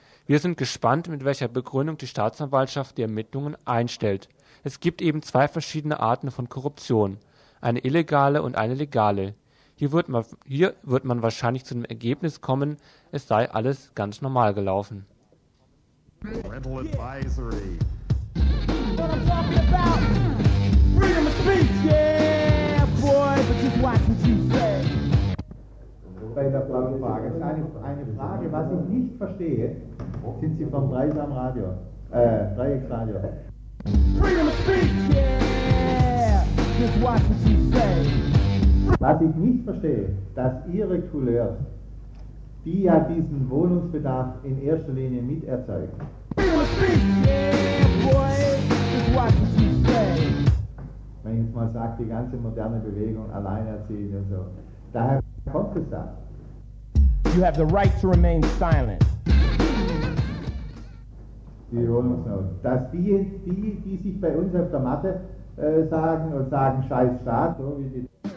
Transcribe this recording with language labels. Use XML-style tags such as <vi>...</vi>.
<de>Wir sind gespannt, mit welcher Begründung die Staatsanwaltschaft die Ermittlungen einstellt. Es gibt eben zwei verschiedene Arten von Korruption. Eine illegale und eine legale. Hier wird man wahrscheinlich zu dem Ergebnis kommen, es sei alles ganz normal gelaufen.</de> <en>Rental Advisory. Freedom of speech, yeah, boy, but just watch what you say.</en> <de>Bei der Planfrage. Das ist eine Frage, was ich nicht verstehe. Sind Sie vom Dreiecksradio?</de> <en>Freedom of speech, yeah! Just watch what you say.</en> <de>Was ich nicht verstehe, dass Ihre Couleurs, die ja diesen Wohnungsbedarf in erster Linie miterzeugen.</de> <en>Freedom of speech, yeah, boy! Just watch what you say.</en> <de>Wenn ich jetzt mal sage, die ganze moderne Bewegung alleinerziehend und so. Daher kommt es da.</de> <en>You have the right to remain silent.</en> <de>Die Wohnungsnot. Dass die sich bei uns auf der Matte sagen und sagen, scheiß Staat, so wie die.</de>